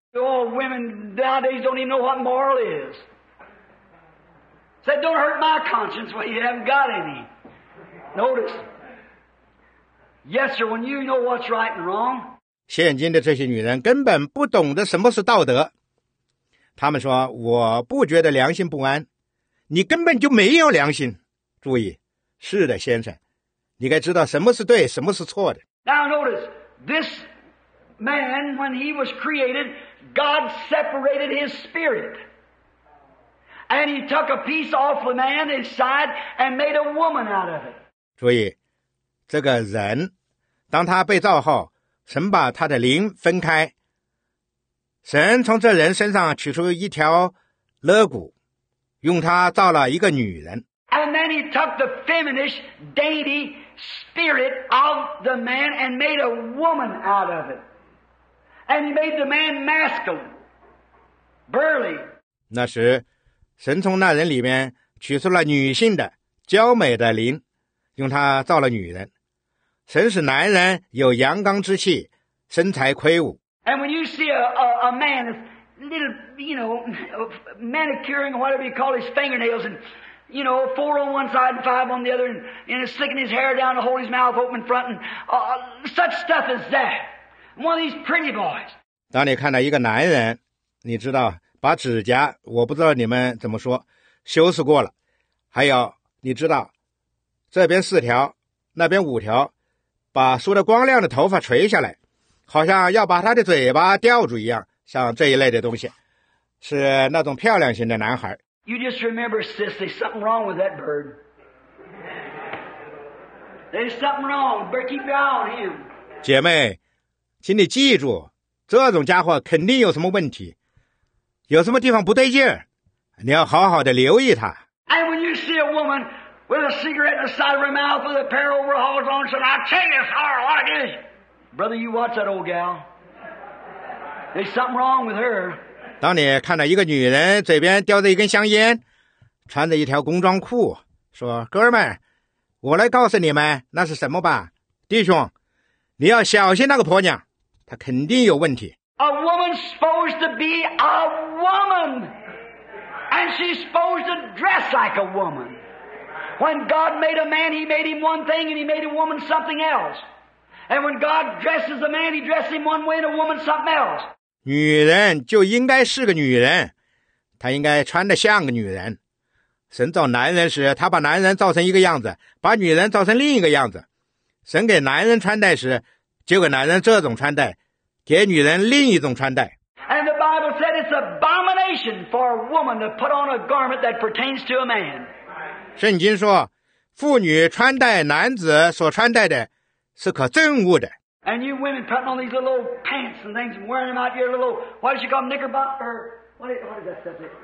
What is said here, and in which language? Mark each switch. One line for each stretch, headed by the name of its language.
English: All women nowadays don't even know what moral is. Said, don't hurt my conscience when you haven't got any. Notice. Yes, sir, when you know what's right and wrong.
Chinese: 现今的这些女人根本不懂得什么是道德。她们说，我不觉得良心不安。你根本就没有良心。注意，是的，先生。你该知道什么是对，什么是错的。
English: Now notice, this man, when he was created, God separated his spirit. And he took a piece off the man inside and made a woman out of it.
Chinese: 注意，这个人，当他被造后，神把他的灵分开。神从这人身上取出一条肋骨，用它造了一个女人。
English: And then he took the feminine, dainty spirit of the man and made a woman out of it. And he made the man masculine, burly.
Chinese: 那时神从那人里面取出了女性的娇美的灵，用她造了女人。神使男人有阳刚之气，身材魁梧。
English: And when you see a man, little, you know, manicuring, whatever you call his fingernails, and, you know, four on one side and five on the other, and slicking his hair down to hold his mouth open in front, and such stuff as that. One of these pretty boys.
Chinese: 当你看到一个男人，你知道把指甲，我不知道你们怎么说，修饰过了。还有，你知道，这边四条，那边五条，把梳得光亮的头发垂下来，好像要把他的嘴巴吊住一样，像这一类的东西，是那种漂亮型的男孩。
English: You just remember, sis, there's something wrong with that bird. There's something wrong. Better keep your eye on him.
Chinese: 姐妹，请你记住，这种家伙肯定有什么问题。有什么地方不对劲儿，你要好好的留意他。
English: And when you see a woman with a cigarette in the side of her mouth, with a pair of overalls on, said, "I'll tell you, sir, what it is." Brother, you watch that old gal. There's something wrong with her.
Chinese: 当你看到一个女人嘴边叼着一根香烟，穿着一条工装裤，说：“哥们，我来告诉你们，那是什么吧？弟兄，你要小心那个婆娘，她肯定有问题。”
English: A woman's supposed to be a woman, and she's supposed to dress like a woman. When God made a man, He made him one thing, and He made a woman something else. And when God dresses a man, He dresses him one way, and a woman something else.
Chinese: 女人就应该是个女人，她应该穿得像个女人。神造男人时，他把男人造成一个样子，把女人造成另一个样子。神给男人穿戴时，就给男人这种穿戴，给女人另一种穿戴。
English: And the Bible said it's abomination for a woman to put on a garment that pertains to a man.
Chinese: 圣经说，妇女穿戴男子所穿戴的，是可憎恶的。
English: And you women putting on these little pants and things and wearing them out your little, why does she call them knickerbocker? What is that stuff?